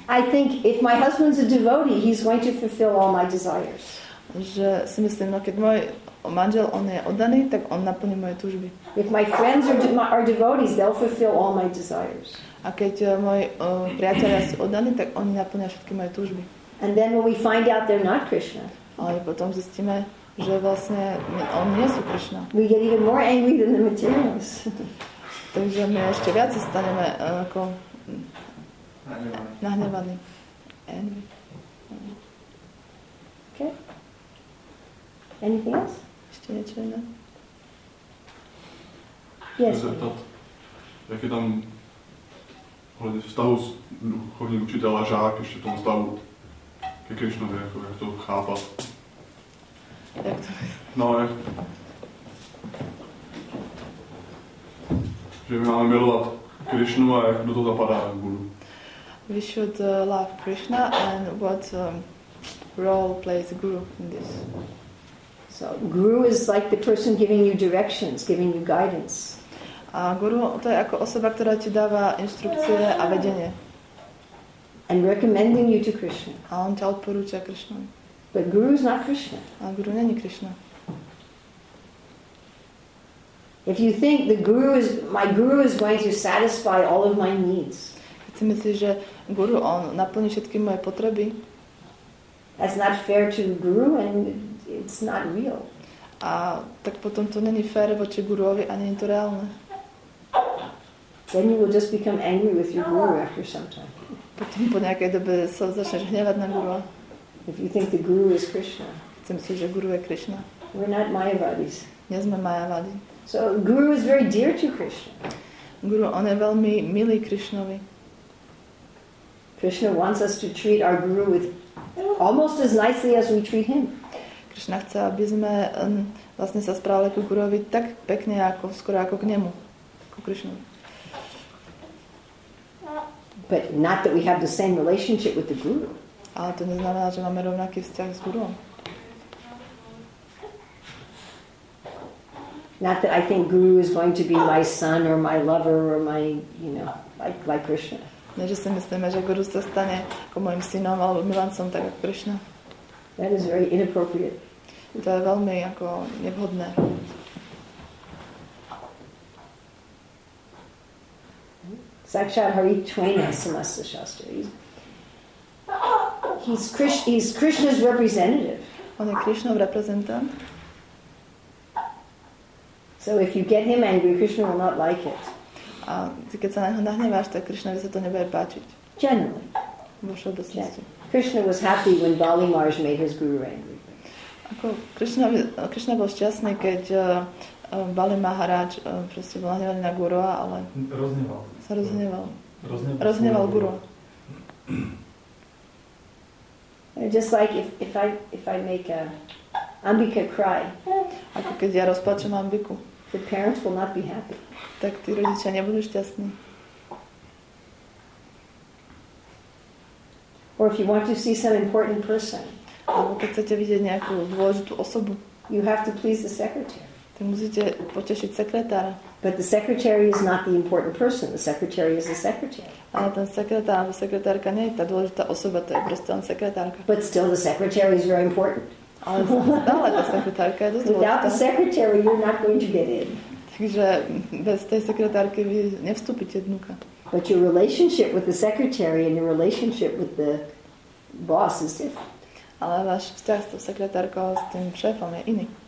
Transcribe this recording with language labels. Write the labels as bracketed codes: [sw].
[en] I think if my husband's a devotee, he's going to fulfill all my desires. [sk] Že si myslím, no keď môj manžel, on je oddaný, tak on naplní moje túžby. [en] If my friends are devotees, they'll fulfill all my desires. [sk] A keď moji priatelia sú oddaní, tak oni naplnia všetky moje túžby. [en] And then when we find out they're not Krishna. [sk] Ale potom zistíme, že vlastne on nie sú Krishna. [en] We get even more angry than the materials. [sk] Takže my ešte viac staneme ako nahnevaní. [en] Angry. Okay. Anything else? [sk] Ešte niečo iné? [en] Yes. [sk] Jak je tam hľadne v stavu duchovný učiteľ a žák ešte v tom stavu ke Krišnovi, ako jak to chápa? Jak to? No, jak... Že my máme milovať Krišnu a jak do toho zapadá v budu. [en] We should love Krishna and what role plays Guru in this? So guru is like the person giving you directions, giving you guidance. [sk] A guru to je ako osoba, ktorá ti dáva inštrukcie a vedenie. [en] And recommending you to Krishna. [sk] A on ťa odporúča Krishna. [en] But guru is not Krishna. [sk] A guru nie je Krishna. [en] If you think the guru is my guru is going to satisfy all of my needs. [sk] Keď si myslíš, že guru on naplní všetky moje potreby. [en] That's not fair to guru and it's not real. [sk] A tak potom to není fér voči guruovi a nie je to reálne. [en] Then you will just become angry with your guru after some time. [sk] Potom po nejakej dobe sa začneš hnevať na guru. [en] If you think the guru is Krishna. [sk] Chce myslieť, že guru je Krishna. [en] We're not Mayavadis. [sk] Nie sme Mayavadi. [en] So guru is very dear to Krishna. [sk] Guru, on je veľmi milý Krishnovi. [en] Krishna wants us to treat our guru with almost as nicely as we treat him. [sk] Krishna chce, aby sme vlastne sa správali ku guruovi tak pekne, ako skoro ako k nemu, ku Krishnovi. [en] But not that we have the same relationship with the guru. [sk] Ale to neznamená, že máme rovnaký vzťah s guruom. [en] Not that I think guru is going to be my son or my lover or my, you know, like Krishna. [sk] Ne, že si myslíme, že guru sa stane ako môjim synom alebo milancom, tak ako Krishna. [en] That is very inappropriate. [sk] To je veľmi ako nevhodné. [sa] Sakshat Hari Twaina Samasta Shastra. [en] He's Krishna's representative. [sk] On je Krishnov reprezentant. [en] So if you get him angry, Krishna will not like it. [sk] A keď sa na neho nahneváš, tak Krishnovi sa to nebude páčiť. [en] Generally. [sk] Vo všeobecnosti. [en] Krishna was happy when Bali Marj made his guru angry. [sk] Ako Krishna bol šťastný, keď Bali Maharaj proste bol nahnevaný na guruá, ale... Rozhneval guru. [en] Just like if I make a Ambika cry. [sk] Ako keď ja rozplačem Ambiku. [en] The parents will not be happy. [sk] Tak tí rodičia nebudú šťastní. [en] Or if you want to see some important person. [sk] Alebo keď chcete vidieť nejakú dôležitú osobu. [en] You have to please the secretary. But the secretary is not the important person. The secretary is the secretary. [sk] Ale ten sekretár, sekretárka nie je tá dôležitá osoba, to je proste len sekretárka. [en] But still the secretary is very important. [sk] Ale stále tá sekretárka je dosť dôležitá. [en] Without the secretary, you're not going to get in. [sk] Takže bez tej sekretárky vy nevstúpite dnuka. [en] But your relationship with the secretary and your relationship with the boss is different. [sk] Ale váš vzťah s tou sekretárkou, s tým šéfom je iný.